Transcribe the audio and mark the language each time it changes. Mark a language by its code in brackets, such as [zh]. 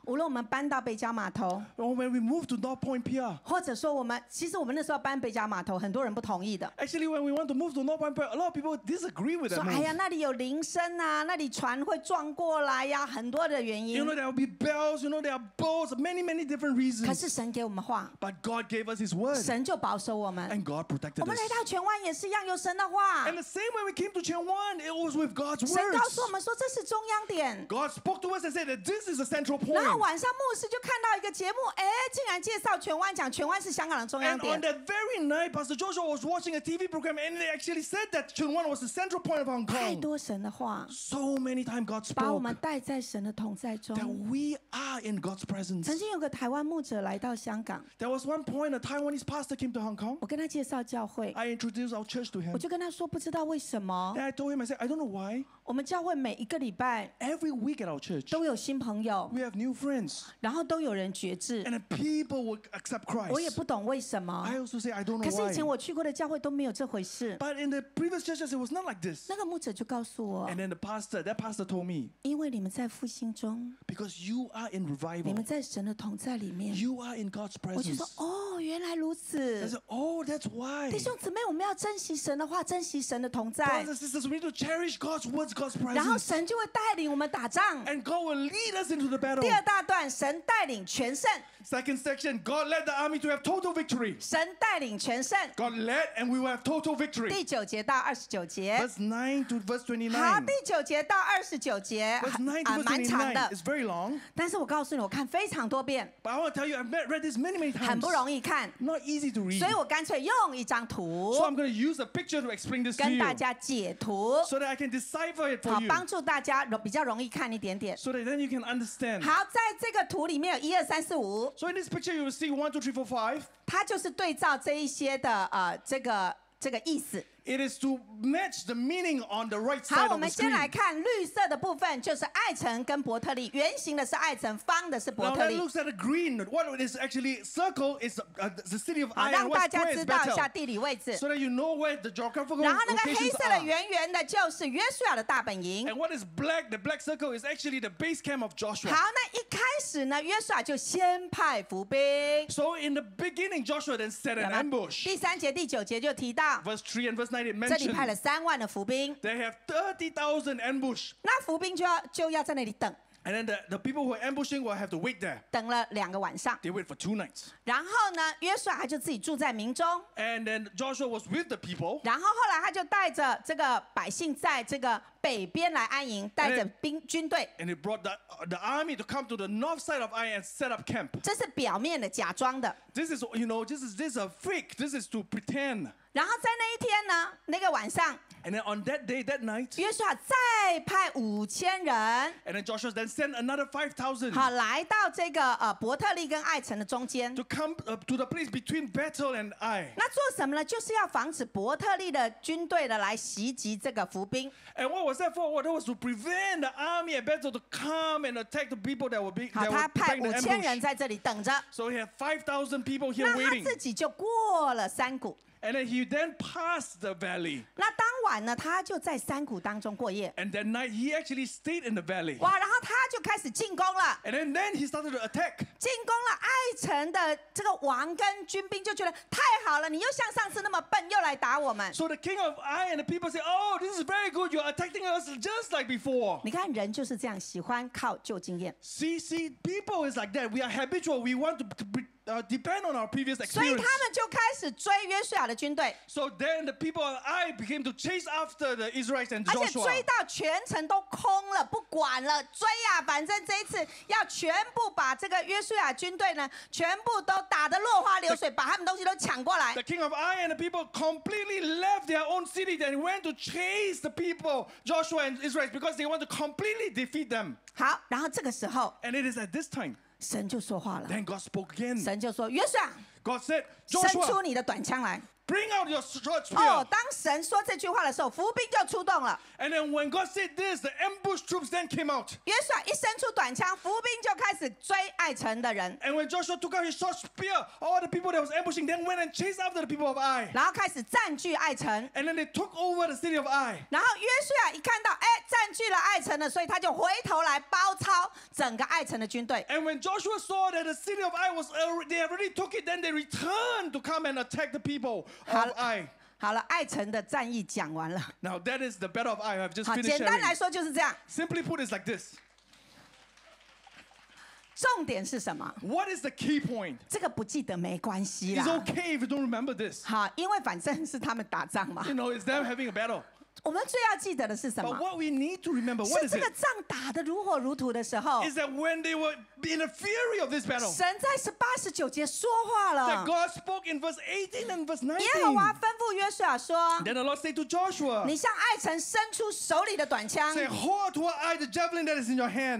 [zh] 无论我们搬到北角码头， [en] or when we move to North Point Pier. [zh] 或者说我们其实我们那时候搬北角码头很多人不同意的。 [en] Actually when we want to move to North Point Pier, a lot of people disagree with that move. [zh] 说哎呀那里有铃声啊，那里船会撞过来呀、啊，很多的原因。 [en] You know there will be bells, you know there are boats, many different reasons. [zh] 可是神给我们话。 [en] But God gave us his word. [zh] 神就保守我们。 [en] And God protected us. [zh] 我们来到荃湾也是一样，有神的话。 [en] And the same way we came to 荃湾, it was with God's words. [zh] 神告诉我们说这是中央点。 [en] God spoke to us and said that this is a central point. [zh] 然后晚上牧师就看到一个节目，哎，竟然介绍荃湾，讲荃湾是香港的中央点。 [en] And on that very night, Pastor Joshua was watching a TV program, and they actually said that 荃湾 was the central point of Hong Kong. [zh] 太多神的话。 [en] So many times God spoke. [zh] 把我们带在神的同在中。 [en] That we are in God's presence. [zh] 曾经有个台湾牧者来到香港。 [en] There was one point a Taiwanese pastor came to Hong Kong. [zh] 我跟他介绍教会。 [en] I introduced our church to him. [zh] 我就跟他说不知道为什么。 [en] And I told him, I said, I don't know why. [zh] 我们教会每一个礼拜 [en] Every week at our church, [zh] 都有新朋友 [en] we have new friends, [zh] 然后都有人觉知 [en] and people will accept Christ. [zh] 我也不懂为什么 [en] I also say, I don't know [zh] 可是以前我去过的教会都没有这回事 [en] But in the previous churches, it was not like this. [zh] 那个牧者就告诉我 [en] And then that pastor told me, [zh] 因为你们在复兴中 [en] Because you are in revival. [zh] 你们在神的同在里面 [en] You are in God's presence. [zh] 我就说哦原来如此 [en] I said, oh, that's why. [zh] 弟兄姊妹我们要珍惜神的话珍惜神的同在 [en] Brothers and sisters, we need to cherish God's words. [zh] 然后神就会带领我们打仗。 [en] And God will lead us into the battle. [zh] 第二大段，神带领全胜。 [en] Second section, God led the army to have total victory. [zh] 神带领全胜。 [en] God led and we will have total victory. [zh] 第九节到二十九节。 [en] Verse 9 to verse 29. [zh] 好，第九节到二十九节。 [en] Verse 9 to verse 29. [zh] 蛮长的。 [en] It's very long. [zh] 但是我告诉你，我看非常多遍。 [en] But I want to tell you, I've read this many times. [zh] 很不容易看。 [en] Not easy to read. [zh] 所以我干脆用一张图。 [en] So I'm going to use a picture to explain this to you. [zh] 跟大家解图。 [en] So that I can decipher. [zh] 好，帮助大家比较容易看一点点。 [en] So that then you can understand. [zh] 好，在这个图里面有一二三四五。 [en] So in this picture, you will see 1, 2, 3, 4, 5. [zh] 它就是对照这一些的这个这个意思。 [en] It is to match the meaning on the right side of the screen. [zh] 好，我们先来看绿色的部分，就是艾辰跟伯特利。圆形的是艾辰，方的是伯特利。 [en] Now let's look at the green. What is actually circle is the city of Ai. [zh] 让大家知道一下地理位置。 [en] So that you know where the geographical locations are. [zh] 然后那个黑色的圆圆的，就是约书亚的大本营。 [en] And what is black? The black circle is actually the base camp of Joshua. [zh] 好，那一开始呢，约书亚就先派伏兵。 [en] So in the beginning, Joshua then set an ambush. [zh] 第三节、第九节就提到。 [en] Verse 3 and verse 9 [zh] 这里派了30,000的伏兵。 [en] They have 30,000 ambush. [zh] 那伏兵就要在那里等。 [en] And then the people who are ambushing will have to wait there. [zh] 等了两个晚上。 [en] They wait for two nights. [zh] 然后呢，约书亚他就自己住在民中。 [en] And then Joshua was with the people. [zh] 然后后来他就带着这个百姓在这个北边来安营，带着兵军队。 [en] And he brought the army to come to the north side of Ai and set up camp. [zh] 这是表面的，假装的。 [en] This is, you know, this is a fake. This is to pretend. [zh] 然后在那一天呢，那个晚上 [en] ，And then on that day, that night, [zh] 约书亚再派5,000人 [en] ，And then Joshua then sent another 5,000. [zh] 好，来到这个伯特利跟艾城的中间 [en] ，To come to the place between Bethel and Ai. [zh] 那做什么呢？就是要防止伯特利的军队的来袭击这个伏兵。 [en] And what was that for? What was to prevent the army at Bethel to come and attack the people that were being that were behind the ambush? [zh] 好，他派5,000人在这里等着。 [en] So he had 5,000 people here waiting. [zh] 那他自己就过了山谷。 [en] And then he then passed the valley. [zh] 那当晚呢，他就在山谷当中过夜。 [en] And that night he actually stayed in the valley. [zh] 哇，然后他就开始进攻了。 [en] And then he started to attack. [zh] 进攻了，艾城的这个王跟军兵就觉得太好了，你又像上次那么笨，又来打我们。 [en] So the king of Ai and the people say, "Oh, this is very good. You're attacking us just like before." [zh] 你看人就是这样，喜欢靠旧经验。 [en] See, people is like that. We are habitual. We want to depend on our previous experience. [zh] 所以他们就开始追约书亚的军队。 [en] So then the people of Ai became to chase after the Israelites and Joshua. [zh] 而且追到全城都空了，不管了，追呀、啊，反正这一次要全部把这个约书亚军队呢，全部都打得落花流水，把他们东西都抢过来。 [en] The king of Ai and the people completely left their own city and went to chase the people, Joshua and Israel, because they want to completely defeat them. [zh] 好，然后这个时候。 [en] And it is at this time. [zh] 神就说话了。 [en] Then God spoke again. [zh] 神就说：“约书亚 [en] ，God said, Joshua, [zh] 伸出你的短枪来。 [en] Bring out your short spear.” [zh] 当神说这句话的时候，伏兵就出动了。 [en] And then when God said this, the ambush troops then came out. [zh] 约书亚一伸出短枪，伏兵就开始追艾城的人。 [en] And when Joshua took out his short spear, all the people that was ambushing then went and chased after the people of Ai. [zh] 然后开始占据艾城。 [en] And then they took over the city of Ai. [zh] 然后约书亚一看到，哎，占据了艾城了，所以他就回头来包抄整个艾城的军队。 [en] And when Joshua saw that the city of Ai was they already took it, then they returned to come and attack the people. [zh] 好了，艾城的战役讲完了。 [en] Now that is the battle of Ai. I've just finished. [zh] 好，简单来说就是这样。 [en] Simply put, it's like this. [zh] 重点是什么 [en] ？What is the key point? [zh] 这个不记得没关系啦。 [en] It's okay if you don't remember this. [zh] 好，因为反正是他们打仗嘛。 [en] You know, it's them having a battle. [zh] 我们最要记得的是什么？ [en] But what we need to remember, what is it? [zh] 是这个仗打得如火如荼的时候。 [en] Is that when they were in a fury of this battle? [zh] 神在18:9说话了。 [en] That God spoke in verse 18 and verse 19. [zh] 耶和华吩咐约书亚说。 [en] Then the Lord said to Joshua. [zh] 你向艾城伸出手里的短枪。 [en] Say, hold toward Ai the javelin that is in your hand.